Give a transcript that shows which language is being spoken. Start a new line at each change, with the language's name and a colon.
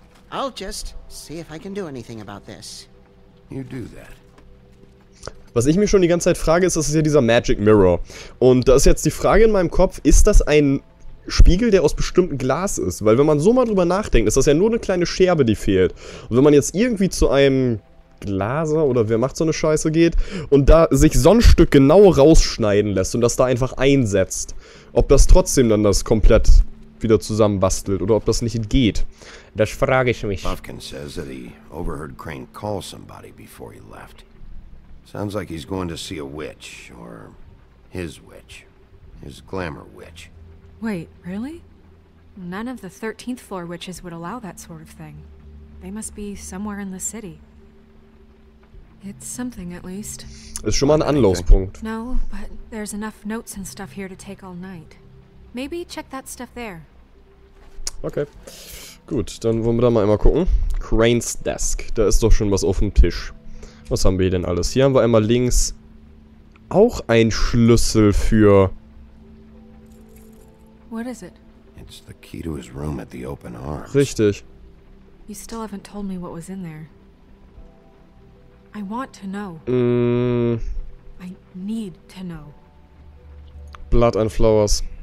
English: I'll just see if I can do anything about this. You do that.
German: Was ich mir schon die ganze Zeit frage, ist, das ist ja dieser Magic Mirror. Und da ist jetzt die Frage in meinem Kopf, ist das ein Spiegel, der aus bestimmtem Glas ist? Weil wenn man so mal drüber nachdenkt, ist das ja nur eine kleine Scherbe, die fehlt. Und wenn man jetzt irgendwie zu einem Glaser oder wer macht so eine Scheiße geht und da sich so ein Stück genau rausschneiden lässt und das da einfach einsetzt, ob das trotzdem dann das komplett wieder zusammenbastelt oder ob das nicht geht. Das frage ich mich.
English: Buffkin says that he overheard Crane call somebody before he left. Sounds like he's going to see a witch, or his witch, his glamour witch. Wait, really? None of the 13th floor witches would allow that sort of thing. They must be somewhere in the city. It's something, at least.
German: Ist schon mal ein Anlaufpunkt.
English: No, but there's enough notes and stuff here to take all night. Maybe check that stuff there. Okay.
German: Gut, dann wollen wir da mal einmal gucken. Crane's Desk. Da ist doch schon was auf dem Tisch. Was haben wir hier denn alles? Hier haben wir einmal links auch einen Schlüssel für.
English: What is it? It's the key to his room at the Open Arms.
German: Richtig.
English: You still haven't told me what was in there. I want to know. I need to know. Blood and Flowers.